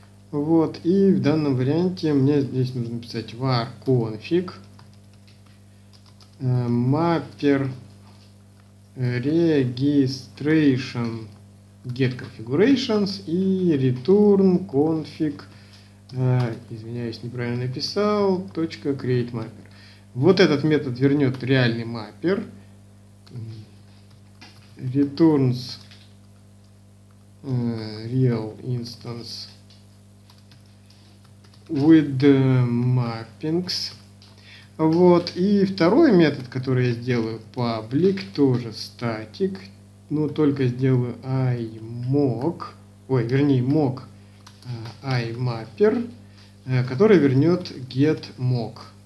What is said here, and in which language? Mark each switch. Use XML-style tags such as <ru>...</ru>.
<ru>Вот, и в данном варианте мне здесь нужно писать</ru> <en>var config mapper registration get configurations</en> <ru>и return config, извиняюсь, неправильно написал, .createMapper. Вот этот метод вернет реальный mapper.</ru> <en>Returns real instance with mappings.</en> <ru>Вот, и второй метод, который я сделаю, public, тоже static, но только сделаю mock iMapper, который вернет getMock.</ru>